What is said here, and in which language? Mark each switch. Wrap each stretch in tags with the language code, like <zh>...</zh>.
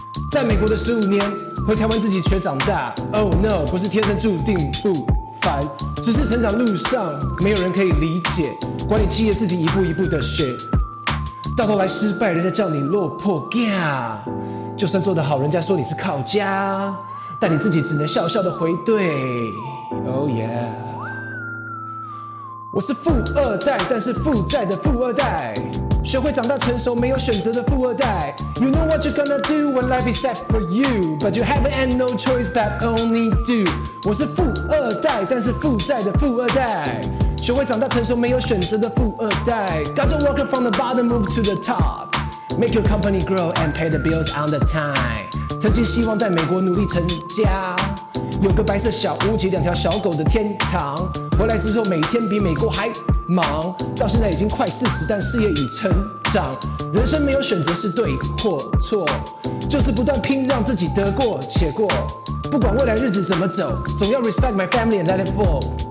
<zh>在美国的十五年回台湾自己却长大，</zh> <en>Oh no，</en> <zh>不是天生注定不凡，只是成长路上没有人可以理解，管理企业自己一步一步的学，到头来失败人家叫你落魄嘎，就算做得好人家说你是靠家，但你自己只能笑笑的回怼。</zh> <en>Oh yeah，</en> <zh>我是富二代，但是负债的富二代，学会长大成熟没有选择的富二代。</zh> <en>You know what you're gonna do when life is set for you, but you haven't had no choice but only do。</en> <zh>我是富二代，但是负债的富二代，学会长大成熟没有选择的富二代。</zh> <en>Gotta work from the bottom move to the top, make your company grow and pay the bills on the time。</en> <zh>曾经希望在美国努力成家，有个白色小屋及两条小狗的天堂，回来之后每天比美国还忙，到现在已经快四十，但事业已成长。人生没有选择是对或错，就是不断拼让自己得过且过，不管未来日子怎么走，总要</zh> <en>respect my family and let it fall。</en>